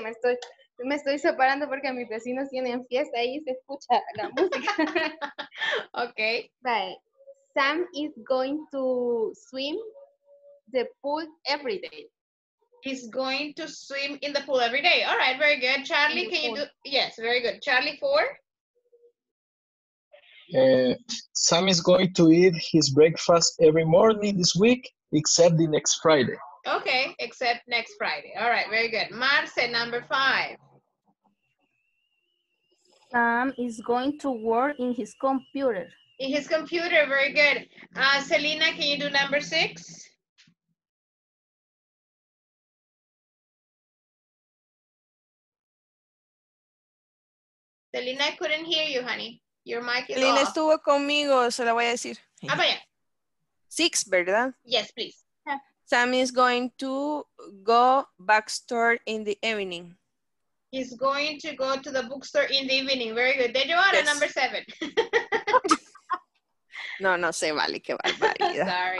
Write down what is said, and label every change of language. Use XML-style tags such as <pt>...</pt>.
<es>Me estoy separando porque mis vecinos tienen fiesta y se escucha la música.</es> <en>Okay. Bye. Sam is going to swim the pool every day. He's going to swim in the pool every day. All right, very good. Charlie, can you do? Yes, very good. Charlie, four. Sam is going to eat his breakfast every morning this week, except the next Friday. Okay, except next Friday. All right, very good. Marce, number five. Sam is going to work in his computer. In his computer, very good. Selena, can you do number six? Selena, I couldn't hear you, honey. Your mic is off.</en> <es>Selena estuvo conmigo, se la voy a decir. Ah, vaya.</es> <en>Six,</en> <es>¿verdad?</es> <en>Yes, please. Sam is going to go bookstore in the evening. He's going to go to the bookstore in the evening. Very good. Then you are yes. Number seven.</en> <es>No se vale, qué barbaridad.</es> <en>Sorry.</en>